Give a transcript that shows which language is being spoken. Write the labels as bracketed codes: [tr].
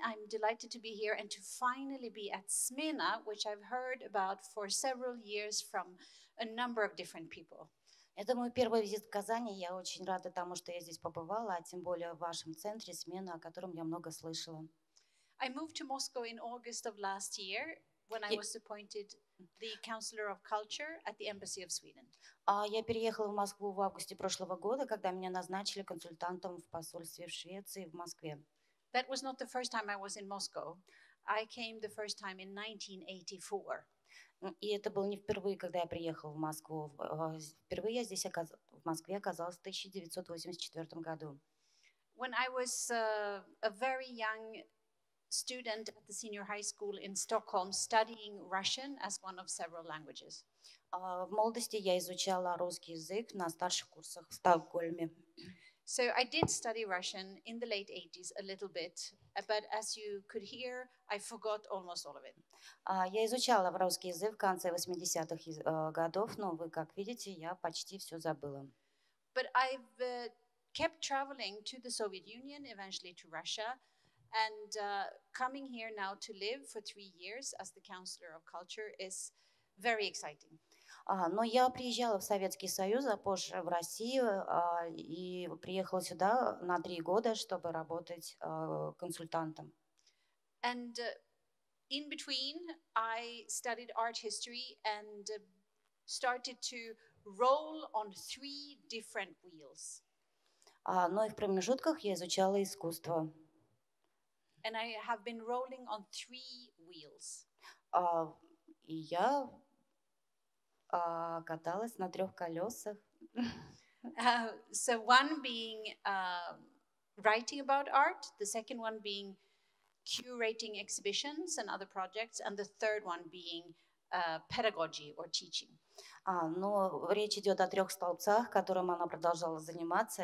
[en] I'm delighted to be here and to finally be at Smena, which I've heard about for several years from a number of different people. [ru] Это мой первый визит в Казани. Я очень рада тому, что я здесь побывала, а тем более в вашем центре Смена, о котором я много слышала. [en] I moved to Moscow in August of last year when I was appointed the counselor of culture at the embassy of Sweden. [ru] Я переехала в Москву в августе прошлого года, когда меня назначили консультантом в посольстве в Швеции в Москве. [en] That was not the first time I was in Moscow. I came the first time in 1984. [ru] И это было не впервые, когда я приехала в Москву. Впервые я здесь в Москве оказалась в 1984 году. [en] When I was a very young student at the senior high school in Stockholm, studying Russian as one of several languages. [ru] В молодости я изучала русский язык на старших курсах в Стокгольме. [en] So I did study Russian in the late 80s a little bit, but as you could hear, I forgot almost all of it. [ru] Я изучала русский язык в конце 80-х годов, но вы как видите, я почти все забыла. [en] But I've kept traveling to the Soviet Union, eventually to Russia, and coming here now to live for 3 years as the counselor of culture is very exciting. [ru] Но я приезжала в Советский Союз, а позже в Россию, и приехала сюда на 3 года, чтобы работать консультантом. [en] And in between, I studied art history and started to roll on 3 different wheels. [ru] Но и в промежутках я изучала искусство. [en] And I have been rolling on 3 wheels. [ru] И я каталась на трех колесах. [en] So one being writing about art, the second one being curating exhibitions and other projects, and the third one being pedagogy or teaching. [ru] Но речь идет о трех столбцах, которым она продолжала заниматься.